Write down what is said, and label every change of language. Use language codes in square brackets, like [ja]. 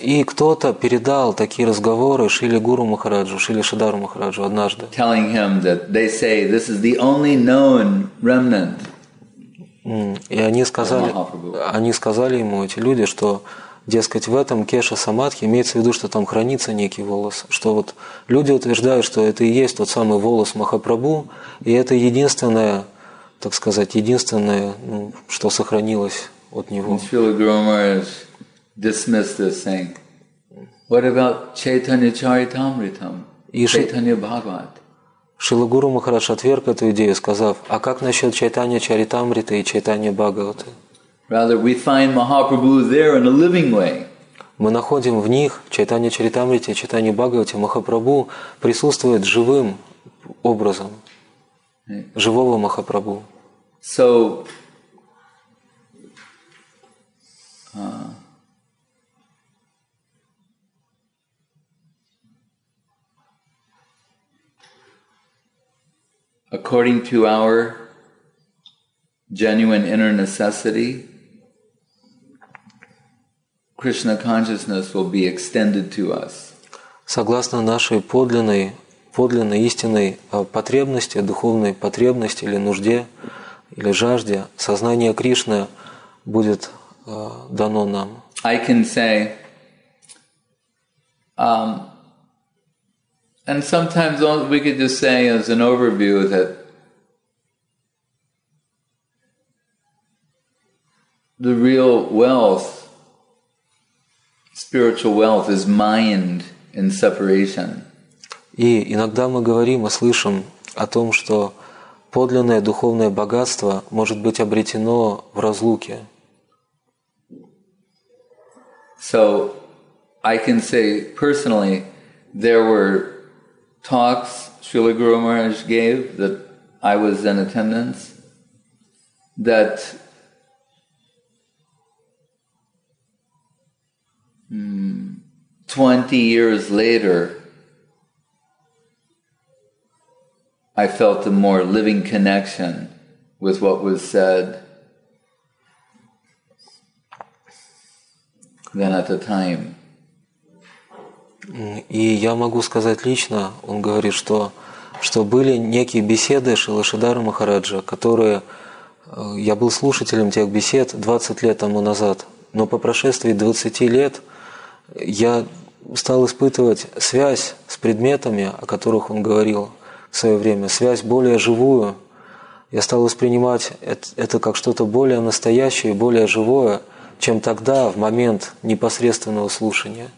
[ru] И кто-то передал такие разговоры Шриле Гуру Махараджу, Шриле Шридхару Махараджу однажды. [en] Telling him that they say this is the only known remnant. [ru] И они сказали ему, эти люди, что, дескать, в этом кеша самадхи, имеется в виду, что там хранится некий волос, что вот люди утверждают, что это и есть тот самый волос Махапрабху, и это единственное, так сказать, единственное, ну, что сохранилось от него. [en] And Srila Guru Maharaj dismissed this saying, what about Chaitanya Charitamritam, Chaitanya Bhagavat? [ru] Шрила Гуру Махарадж отверг эту идею, сказав, а как насчет Чайтанья Чаритамриты и Чайтанья Бхагаваты? [en] Rather, we find Mahaprabhu there in a living way. [ru] Мы находим в них, Чайтанья Чаритамрите и Чайтанья Бхагаваты, Махапрабху присутствует живым образом, живого Махапрабху. [en] So, according to our genuine inner necessity, Krishna consciousness will be extended to us. [ru] Согласно нашей подлинной истинной потребности, духовной потребности или нужде или жажде, сознание Кришны будет дано нам. [en] I can say, and sometimes all we could just say as an overview that the real wealth, spiritual wealth, is mind in separation. [ru] И иногда мы говорим и слышим о том, что подлинное духовное богатство может быть обретено в разлуке. [en] So I can say personally, there were talks Srila Guru Maharaj gave that I was in attendance that twenty years later I felt a more living connection with what was said than at the time. [ru] И я могу сказать лично, он говорит, что были некие беседы Шрилы Шридхары Махараджа, которые, я был слушателем тех бесед 20 лет тому назад, но по прошествии 20 лет я стал испытывать связь с предметами, о которых он говорил в свое время, связь более живую, я стал воспринимать это как что-то более настоящее, более живое, чем тогда, в момент непосредственного слушания.